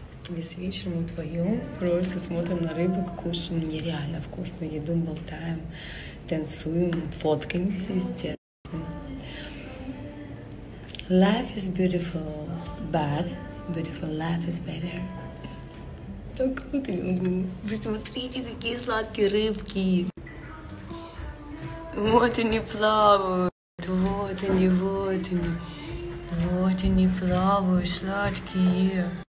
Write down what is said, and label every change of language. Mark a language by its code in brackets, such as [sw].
[ru] Весь вечер мы вдвоем просто смотрим на рыбу, кушаем нереально вкусную еду, болтаем, танцуем, фоткаемся, естественно. [en] Life is beautiful, but beautiful life is better. [ru] Так вот я могу. Вы смотрите, какие сладкие рыбки. Вот они плавают, вот они, вот они. Вот они плавают, сладкие.